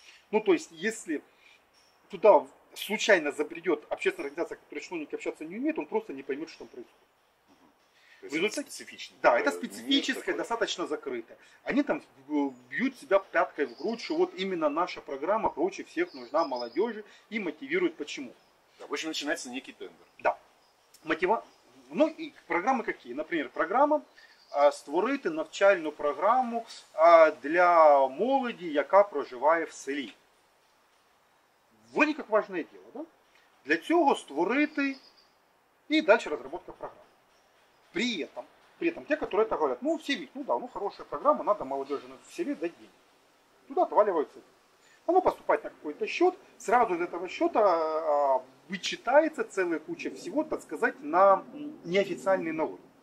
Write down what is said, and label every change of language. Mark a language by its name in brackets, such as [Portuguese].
[Russian] Ну, то есть, если туда случайно забредет общественная организация, которая чиновники общаться не умеет, он просто не поймет, что там происходит. Это специфичное. Да, это специфическое, достаточно закрытое. Они там бьют себя пяткой в грудь, что вот именно наша программа проще всех нужна молодежи и мотивируют почему. Да, в общем, начинается некий тендер. Да. Ну и программы какие? Например, программа [Ukrainian] створити навчальну програму для молоді, яка проживає в селі. Вони як важне діло, да? Для цього створити і далі розробка програми. [Russian] При этом [Ukrainian] те, які так говорять, ну в селі, ну да, ну хороша програма, треба молодежі в селі дати гроші. [Russian] Туди отваливаються. [Ukrainian] Воно поступає на якийсь счет, [Russian] сразу з цього счета вычитается целая куча всего, так сказать, на неофициальный налог.